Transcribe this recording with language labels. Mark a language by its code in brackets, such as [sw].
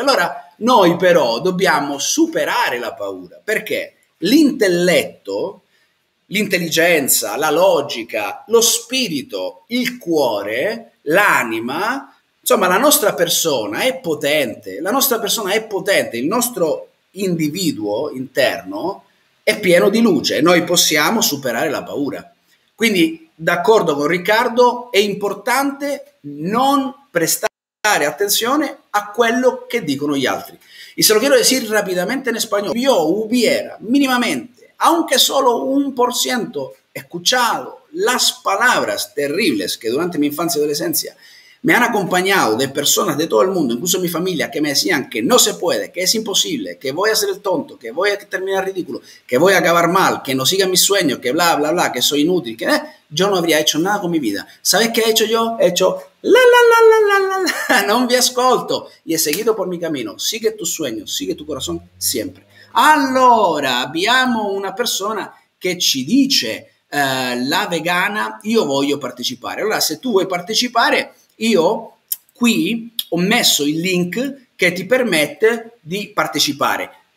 [it] Allora, noi però dobbiamo superare la paura, perché l'intelletto, l'intelligenza, la logica, lo spirito, il cuore, l'anima, insomma la nostra persona è potente, la nostra persona è potente, il nostro individuo interno è pieno di luce, noi possiamo superare la paura. Quindi, d'accordo con Riccardo, è importante non prestare attenzione a quello che dicono gli altri. [es] E se lo quiero decir rapidamente in spagnolo, io hubiera minimamente, aunque solo un por ciento, escuchado las palabras terribles que durante mi infancia y adolescencia me han acompañado de personas de todo el mundo, incluso mi familia, que me decían que no se puede, que es imposible, que voy a ser el tonto, que voy a terminar ridículo, que voy a acabar mal, que no siga mis sueños, que bla, bla, bla, que soy inútil, que yo no habría hecho nada con mi vida. ¿Sabes qué he hecho yo? He hecho la, la, la, la, la, la, la, [it] non vi ascolto, [es] y he seguido por mi camino. Sigue tu sueño, sigue tu corazón, siempre. [it] Allora, abbiamo una persona che ci dice, la vegana, io voglio partecipare. Allora, se tu vuoi partecipare, io qui ho messo il link che ti permette di partecipare.